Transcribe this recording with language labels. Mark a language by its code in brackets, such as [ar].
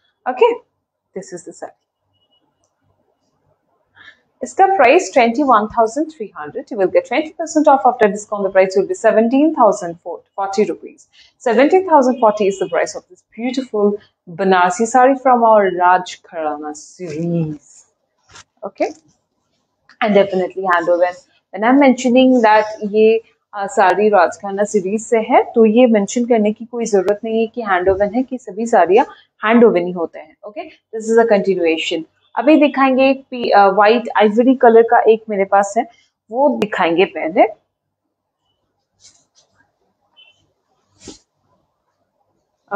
[en] Okay this is the sari, ইসকা price 21,300, you will get 20% off after discount, the price will be 17,040 rupees. 17,040 is the price of this beautiful Banarasi sari from our Rajgharana series. Okay and definitely hand woven. When I'm mentioning that [hi] ये साड़ी राजघराना series से है तो ये mention करने की कोई जरूरत नहीं है कि हैंड ओवन है, कि सभी साड़ियाँ हैंड ओवन ही होते हैं। [en] Okay this is a continuation. [hi] अभी दिखाएंगे एक व्हाइट आइवरी कलर का एक मेरे पास है, वो दिखाएंगे पहले।